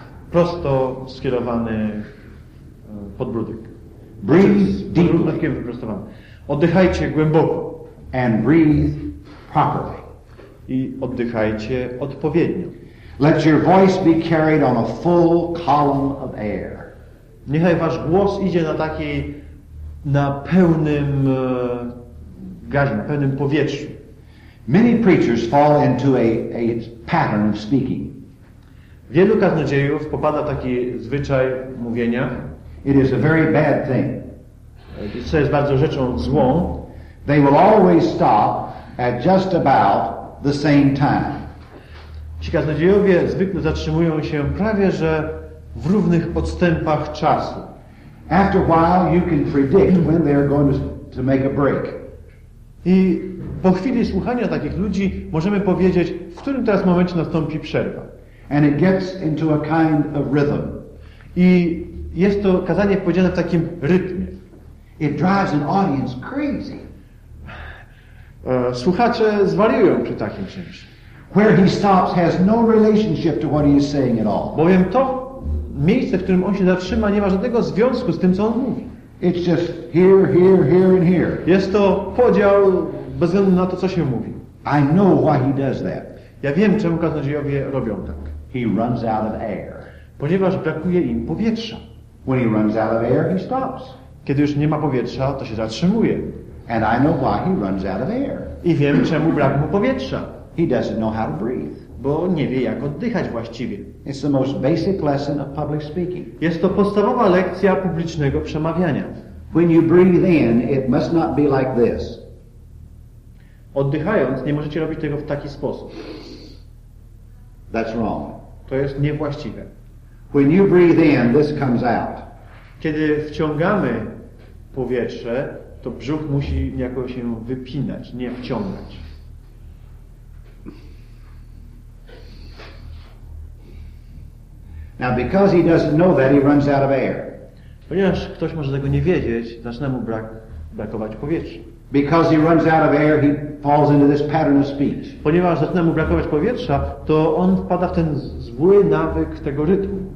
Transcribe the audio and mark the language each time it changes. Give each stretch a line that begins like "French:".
Polish: Prosto skierowany podbródek.
English: Breathe deeply.
Polish: Wyprostowany. Oddychajcie głęboko.
English: And breathe properly.
Polish: I oddychajcie odpowiednio.
English: Let your voice be carried on a full column of air.
Polish: Niechaj wasz głos idzie na takiej, na pełnym gazie, na pełnym powietrzu.
English: Many preachers fall into a pattern of speaking.
Polish: Wielu kaznodziejów popada w taki zwyczaj mówienia.
English: It is a very bad thing.
Polish: To jest bardzo rzeczą złą.
English: They will always stop at just about the same time.
Polish: Ci kaznodziejowie zwykle zatrzymują się prawie że w równych odstępach czasu.
English: After a while you can predict when they are going to make a break.
Polish: I po chwili słuchania takich ludzi możemy powiedzieć, w którym teraz momencie nastąpi przerwa.
English: And it gets into a kind of rhythm.
Polish: I jest to kazanie podzielone w takim rytmie.
English: It drives an audience crazy.
Polish: Słuchacze zwariują przy takim czymś.
English: Where he stops has no relationship to what he is saying at all.
Polish: Bowiem to miejsce, w którym on się zatrzyma, nie ma żadnego związku z tym, co on mówi.
English: It's just here, here, here and here.
Polish: Jest to podział bez względu na to, co się mówi.
English: I know why he does that.
Polish: Ja wiem, czemu kaznodziejowie robią tak.
English: He runs out of air.
Polish: Ponieważ brakuje im powietrza.
English: When he runs out of air, he stops.
Polish: Kiedy już nie ma powietrza, to się zatrzymuje.
English: And I know why he runs out of air.
Polish: I wiem, czemu brak mu powietrza.
English: He doesn't know how to breathe.
Polish: Bo nie wie, jak oddychać właściwie.
English: It's the most basic lesson of public speaking.
Polish: Jest to podstawowa lekcja publicznego przemawiania.
English: When you breathe in, it must not be like this.
Polish: Oddychając, nie możecie robić tego w taki sposób.
English: That's wrong.
Polish: To jest niewłaściwe.
English: When you breathe in, this comes out.
Polish: Kiedy wciągamy powietrze, to brzuch musi jako się wypinać, nie wciągać.
English: Now because he doesn't know that, he runs out of air.
Polish: Ponieważ ktoś może tego nie wiedzieć, zaczyna mu brakować powietrza.
English: Because he runs out of air, he falls into this pattern of speech.
Polish: Ponieważ zaczyna mu brakować powietrza, to on wpada w ten zły nawyk tego rytmu.